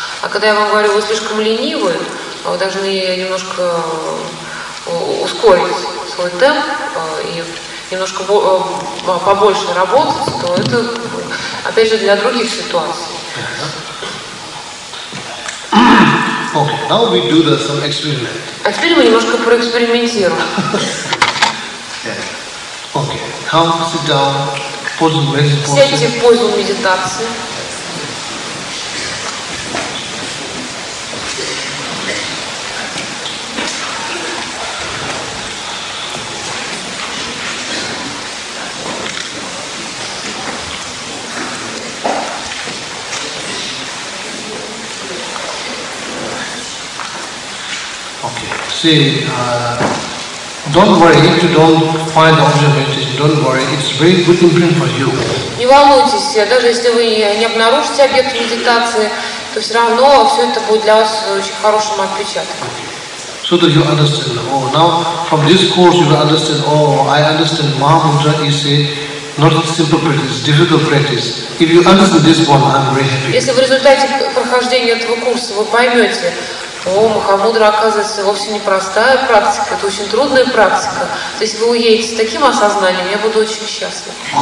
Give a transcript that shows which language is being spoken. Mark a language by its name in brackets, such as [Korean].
[Russian] А когда я вам говорю, вы слишком ленивы, вы должны немножко ускорить свой темп и немножко побольше работать, то это, опять же, для других ситуаций. [English] Okay, now we do the some experiment. [Russian] А теперь мы немножко проэкспериментируем. [English] Yeah. Okay, come sit down, pose the meditation. [Russian] Сядьте в позу медитации. [English] See, don't worry, if you don't find the object of meditation, don't worry, it's a very good imprint for you. [Russian] Не волнуйтесь, даже если вы не обнаружите объект медитации, то все равно все это будет для вас очень хорошим отпечатком. [English] So that you understand, oh, now from this course you will understand, oh, I understand Mahamudra is a not a simple practice, difficult practice. If you understand this one, I'm very happy. [Russian] Если в результате прохождения этого курса вы поймете, о, Махамудра, оказывается, вовсе не простая практика, это очень трудная практика. То есть вы уедете с таким осознанием, я буду очень счастлива.